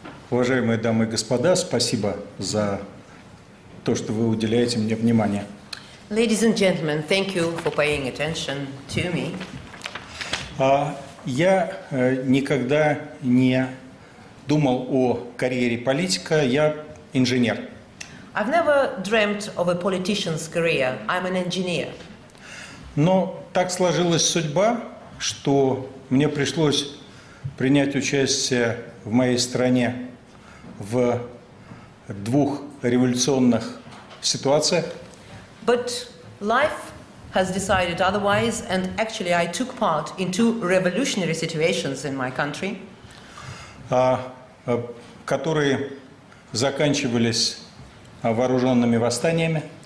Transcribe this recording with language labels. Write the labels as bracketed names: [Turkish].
[Russian] Уважаемые дамы и господа, спасибо за то, что вы уделяете мне внимание. [English] Ladies and gentlemen, thank you for paying attention to me. [Russian] Я никогда не думал о карьере политика, я инженер. [English] I've never dreamt of a politician's career. I'm an engineer. [Russian] Но так сложилась судьба, что мне пришлось принять участие в моей стране в двух революционных ситуациях. [English] But life has decided otherwise, and actually I took part in two revolutionary situations in my country, [Russian] которые заканчивались вооруженными восстаниями.